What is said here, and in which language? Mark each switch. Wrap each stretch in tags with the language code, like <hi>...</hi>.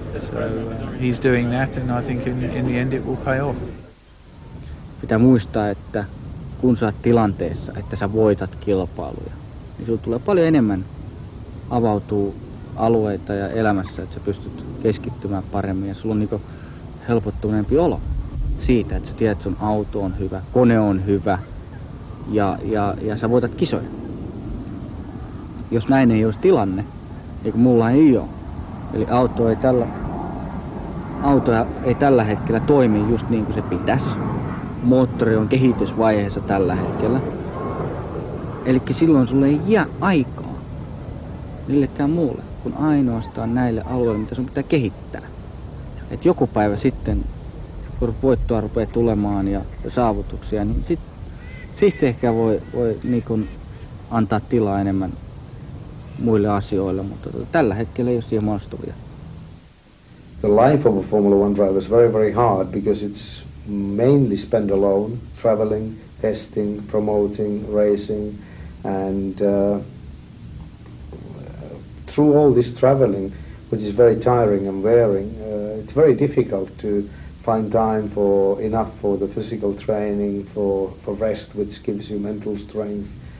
<en>So he's doing that, and I think in the end it will pay off.</en> <fi>Pitää muistaa, että kun sä oot tilanteessa, että sä voitat kilpailuja, niin sulla tulee paljon enemmän avautuu alueita ja elämässä, että sä pystyt keskittymään paremmin, ja sulla on niinku helpottuneempi olo siitä, että sä tiedät, että sun auto on hyvä, kone on hyvä, ja sä voitat kisoja. Jos näin ei olisi tilanne, niin kuin mulla ei ole. Eli auto ei tällä hetkellä toimi just niin kuin se pitäisi. Moottori on kehitysvaiheessa tällä hetkellä. Elikkä silloin sulle ei jää aikaa millekään muulle, kun ainoastaan näille alueille, mitä sun pitää kehittää. Et joku päivä sitten, kun voittoa rupeaa tulemaan ja saavutuksia, niin sitten ehkä voi niin kuin antaa tilaa enemmän muille asioille, mutta tällä hetkellä ei ole siihen mahdollistuvia.</fi> <en>The life of a Formula One driver is very, very hard, because it's mainly spent alone, traveling, testing, promoting, racing, and through all this traveling, which is very tiring and wearing, it's very difficult to find time for enough for the physical training, for rest, which gives you mental strength.</en>